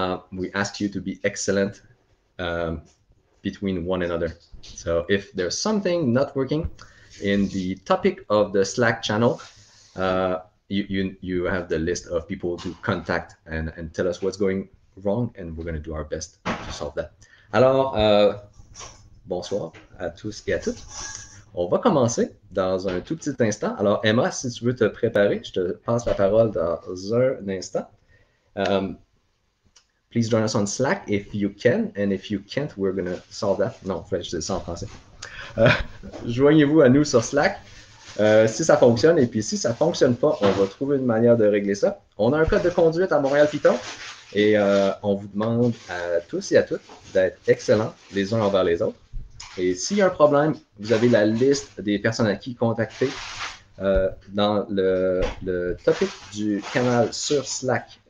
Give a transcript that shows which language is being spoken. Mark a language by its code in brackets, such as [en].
[en] We ask you to be excellent between one another. So if there's something not working in the topic of the Slack channel, you have the list of people to contact and tell us what's going wrong, and we're going to do our best to solve that. [fr] Alors, bonsoir à tous et à toutes. On va commencer dans un tout petit instant. Alors, Emma, si tu veux te préparer, je te passe la parole dans un instant. [en] Please join us on Slack if you can, and if you can't, we're going to solve that. [fr] Non, je disais ça en français. Joignez-vous à nous sur Slack. Si ça fonctionne, et puis si ça fonctionne pas, on va trouver une manière de régler ça. On a un code de conduite à Montréal-Python, et on vous demande à tous et à toutes d'être excellents les uns envers les autres. Et s'il y a un problème, vous avez la liste des personnes à qui contacter dans le topic du canal sur Slack.